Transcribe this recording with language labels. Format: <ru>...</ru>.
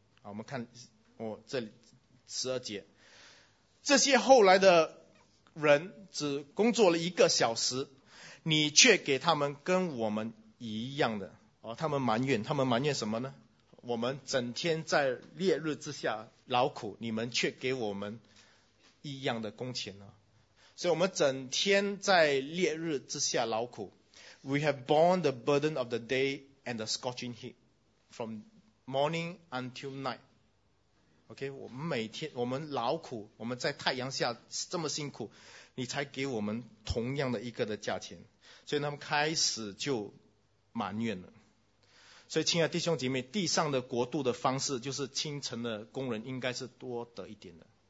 <zh>好，我们看我这里十二节，这些后来的人只工作了一个小时，你却给他们跟我们一样的哦。他们埋怨，他们埋怨什么呢？我们整天在烈日之下劳苦，你们却给我们一样的工钱呢？所以我们整天在烈日之下劳苦。</zh> <en>We have borne the burden of the day and the scorching heat from morning until night.</en> <zh>OK, 我们每天我们劳苦，我们在太阳下这么辛苦，你才给我们同样的一个的价钱。所以他们开始就埋怨了。所以亲爱的弟兄姐妹，地上的国度的方式就是清晨的工人应该是多得一点的。</zh>